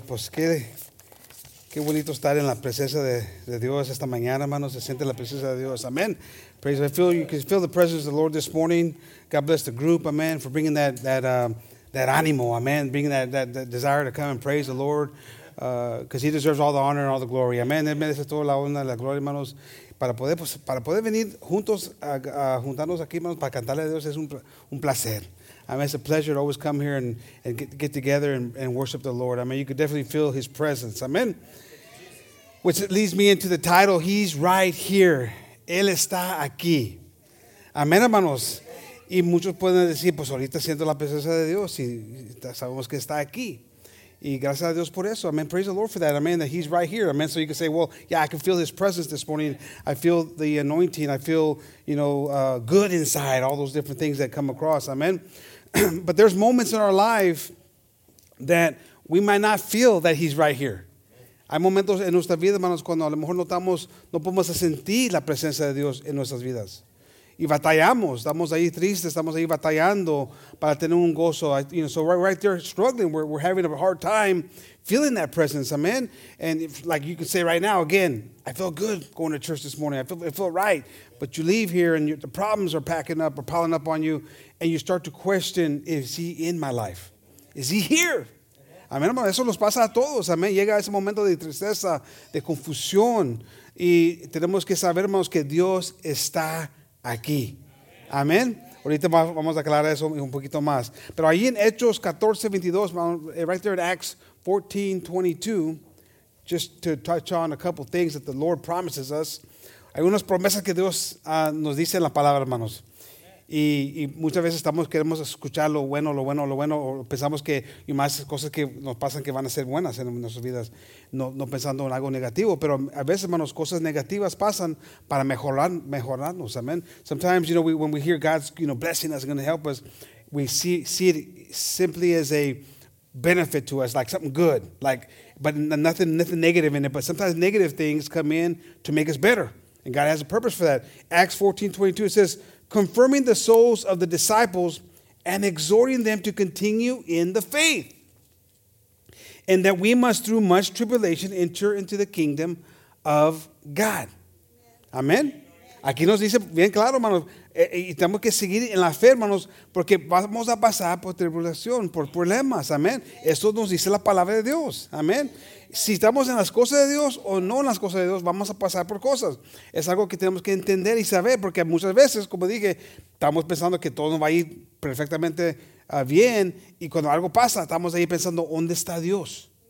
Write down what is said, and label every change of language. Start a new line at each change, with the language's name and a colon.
Spanish: Pues qué bonito estar en la presencia de Dios esta mañana, hermanos. Se siente la presencia de Dios. Amen.
English: Praise the Lord. You can feel the presence of the Lord this morning. God bless the group. Amen. For bringing that animal, amen, bringing that desire to come and praise the Lord, because he deserves all the honor and all the glory, amen.
Spanish: Él merece toda la honra y la gloria, hermanos, para poder venir juntos, juntarnos aquí, hermanos, para cantarle a Dios, es un placer.
English: I mean, it's a pleasure to always come here and get together and worship the Lord. I mean, you could definitely feel his presence, amen. Which leads me into the title, He's Right Here.
Spanish: Él está aquí. Amen, hermanos. Y muchos pueden decir, pues ahorita siento la presencia de Dios y sabemos que está aquí. Y gracias a Dios por eso.
English: Amen. Praise the Lord for that. Amen. That he's right here. Amen. So you can say, well, yeah, I can feel his presence this morning. I feel the anointing. I feel, you know, good inside. All those different things that come across. Amen. But there's moments in our life that we might not feel that he's right here.
Spanish: Hay momentos en nuestra vida, hermanos, cuando a lo mejor no podemos sentir la presencia de Dios en nuestras vidas. Y batallamos, estamos ahí tristes, estamos ahí batallando para tener un gozo.
English: You know, so right there struggling, we're having a hard time feeling that presence, amen? And if, like you can say right now, again, I feel good going to church this morning. I feel right. But you leave here and the problems are packing up or piling up on you and you start to question, is he in my life? Is he here?
Spanish: Amen, hermano, eso nos pasa a todos, amen? Llega ese momento de tristeza, de confusión y tenemos que saber, hermanos, que Dios está aquí. Amén. Ahorita vamos a aclarar eso un poquito más. Pero ahí en Hechos 14:22,
English: right there in Acts 14:22, just to touch on a couple things that the Lord promises us.
Spanish: Hay unas promesas que Dios nos dice en la palabra, hermanos. Y muchas veces queremos escuchar lo bueno, o pensamos que y más cosas que nos pasan que van a ser buenas en nuestras vidas, no pensando en algo negativo, pero a veces, hermanos, cosas negativas pasan para mejorarnos, amen.
English: Sometimes, you know, when we hear God's, you know, blessing us, going to help us, we see it simply as a benefit to us, like something good, like, but nothing negative in it, but sometimes negative things come in to make us better, and God has a purpose for that. Acts 14:22, it says, confirming the souls of the disciples and exhorting them to continue in the faith, and that we must through much tribulation enter into the kingdom of God. Amen.
Spanish: Aquí nos dice bien claro, hermanos, y tenemos que seguir en la fe, hermanos, porque vamos a pasar por tribulación, por problemas. Amen. Eso nos dice la palabra de Dios. Amen. Si estamos en las cosas de Dios o no en las cosas de Dios, vamos a pasar por cosas. Es algo que tenemos que entender y saber, porque muchas veces, como dije, estamos pensando que todo nos va a ir perfectamente bien, y cuando algo pasa, estamos ahí pensando, ¿dónde está Dios?